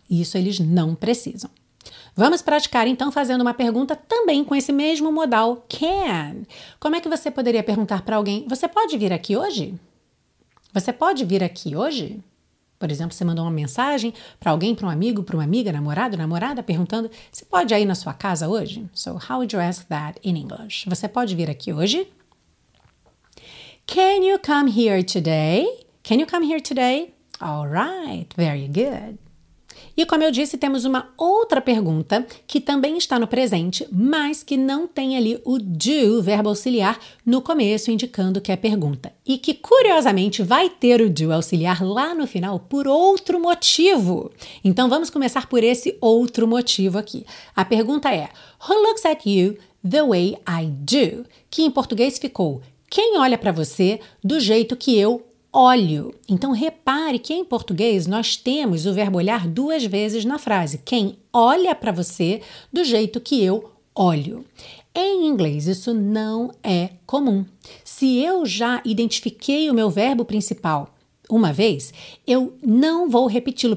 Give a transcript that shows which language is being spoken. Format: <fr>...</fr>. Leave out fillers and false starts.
<pt>Isso eles não precisam. Vamos praticar, então, fazendo uma pergunta também com esse mesmo modal can. Como é que você poderia perguntar para alguém, você pode vir aqui hoje? Você pode vir aqui hoje? Por exemplo, você mandou uma mensagem para alguém, para um amigo, para uma amiga, namorado, namorada, perguntando, você pode ir na sua casa hoje?</pt> <en>So, how would you ask that in English?</en> <pt>Você pode vir aqui hoje?</pt> <en>Can you come here today? Can you come here today? All right, very good.</en> <pt>E como eu disse, temos uma outra pergunta que também está no presente, mas que não tem ali o do, o verbo auxiliar, no começo, indicando que é pergunta. E que, curiosamente, vai ter o do auxiliar lá no final por outro motivo. Então, vamos começar por esse outro motivo aqui. A pergunta é,</pt> <en>who looks at you the way I do?</en> <pt>Que em português ficou, quem olha para você do jeito que eu olho. Então, repare que em português nós temos o verbo olhar duas vezes na frase. Quem olha para você do jeito que eu olho. Em inglês, isso não é comum. Se eu já identifiquei o meu verbo principal uma vez, eu não vou repeti-lo.</pt>